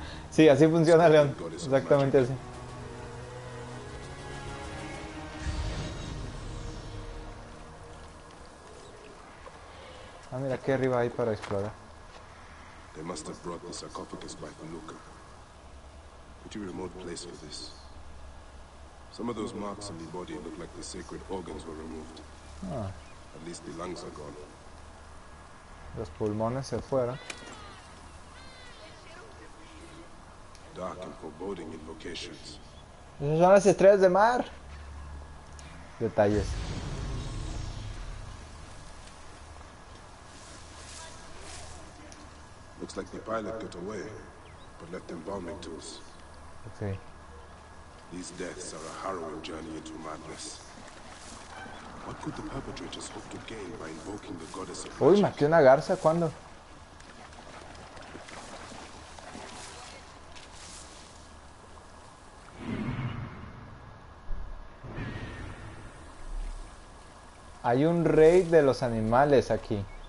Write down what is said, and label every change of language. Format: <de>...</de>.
<es>Sí, así funciona, León. Exactamente así. Ah, mira, aquí arriba hay para explorar.</es> <en>They must have brought the sarcophagus by Feluca. Would you remote place for this? Some of those marks on the body look like the sacred organs were removed. At least the lungs are gone.</en> <es>Los pulmones se fueron.</es> <en>Dark and foreboding invocations.</en> <es>Esas son las estrellas de mar. Detalles.</es> <en>Looks like the pilot got away, but left embalming tools. Okay. These deaths are a harrowing journey into madness. What could the perpetrators hope to gain by invoking the goddess of</en> <es>fortune? Uy, maté una garza, ¿cuándo? Hay un rey de los animales aquí.</es>